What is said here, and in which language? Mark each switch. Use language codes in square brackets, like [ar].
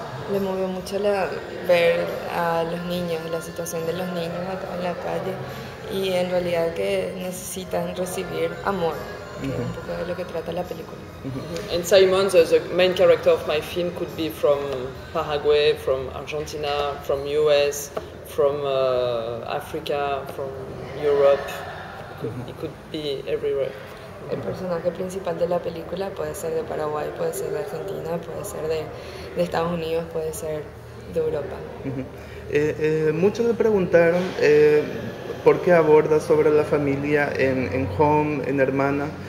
[es] Le movió mucho ver a los niños, la situación de los niños acá en la calle, y en realidad que necesitan recibir amor, que es un poco de lo que trata la película. [en] And Simon, the main character of my film, could be from Paraguay, from Argentina, from US, from Africa, from Europe. It could be everywhere. [es] El personaje principal de la película puede ser de Paraguay, puede ser de Argentina, puede ser de Estados Unidos, puede ser de Europa. Muchos me preguntaron por qué aborda sobre la familia en Home, en Hermana.